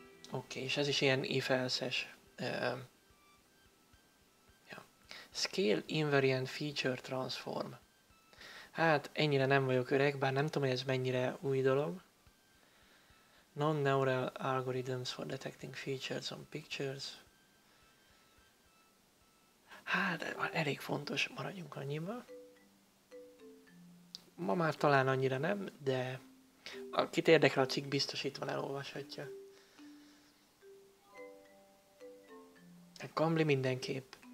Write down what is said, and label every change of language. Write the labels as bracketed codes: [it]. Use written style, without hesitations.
[hu] Oké, és ez is ilyen if-else-es. [en] Scale invariant feature transform. [hu] Hát ennyire nem vagyok öreg, bár nem tudom, hogy ez mennyire új dolog. [en] Non-neural algorithms for detecting features on pictures. [hu] Hát elég fontos, maradjunk annyiban. Ma már talán annyira nem, de akit érdekel a cikk, biztos itt van, elolvashatja. Kamli mindenképp.